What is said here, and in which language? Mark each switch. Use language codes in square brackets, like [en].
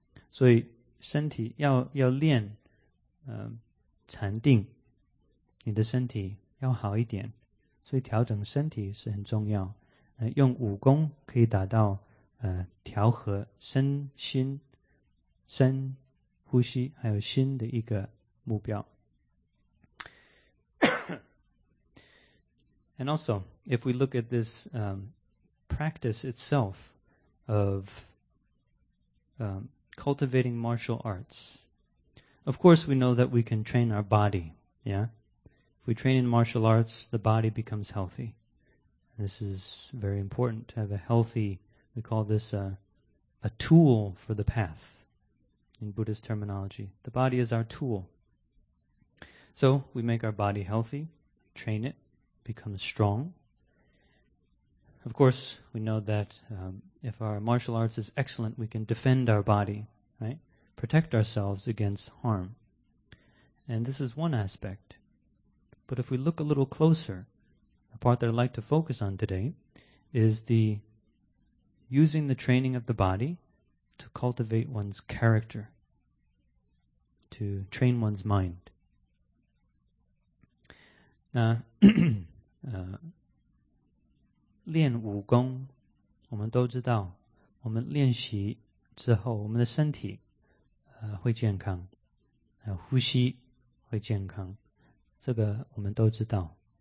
[zh] 所以身体要练禅定，你的身体要好一点，所以调整身体是很重要。用武功可以达到调和身心身呼吸还有心的一个目标。 [en] And also, if we look at this practice itself of cultivating martial arts, of course we know that we can train our body, yeah? If we train in martial arts, the body becomes healthy. This is very important to have a healthy, we call this a tool for the path in Buddhist terminology. The body is our tool. So we make our body healthy, train it, become strong. Of course, we know that if our martial arts is excellent, we can defend our body, right? Protect ourselves against harm. And this is one aspect. But if we look a little closer, the part that I'd like to focus on today is the using the training of the body to cultivate one's character, to train one's mind. [zh] Now, 练武功，我们都知道，我们练习之后，我们的身体会健康，呼吸会健康，这个我们都知道。